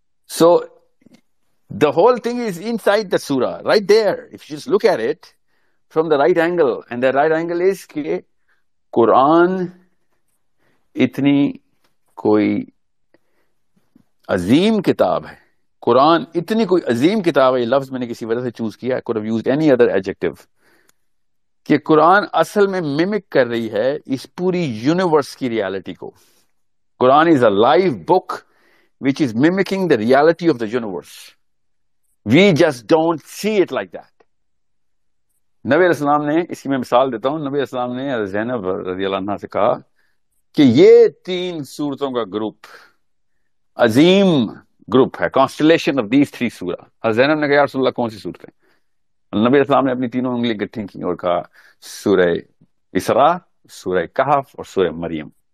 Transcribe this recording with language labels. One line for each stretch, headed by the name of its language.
English: so the whole thing is inside the سورا right there, if you just look at it from the right angle, and the right angle is
Urdu: کہ قرآن اتنی کوئی عظیم کتاب ہے, قرآن اتنی کوئی عظیم کتاب ہے, یہ لفظ میں نے کسی وجہ سے چوز کیا,
English: I could have used any other adjective,
Urdu: کہ قرآن اصل میں میمک کر رہی ہے اس پوری یونیورس کی ریالٹی کو.
English: Quran is a live book which is mimicking the reality of the universe, we just don't see it like that.
Urdu: نبی علیہ السلام نے, اس کی میں مثال دیتا ہوں, نبی علیہ السلام نے زینب رضی اللہ عنہ سے کہا کہ یہ تین سورتوں کا گروپ عظیم گروپ ہے,
English: Constellation of these three سورا.
Urdu: زینب نے کہا یا رسول اللہ کون سی سورت ہے؟ نبی اسلام نے اپنی تینوں انگلی گٹھی کی اور کہا سورہ اسراء, سورہ کہف اور سورہ مریم.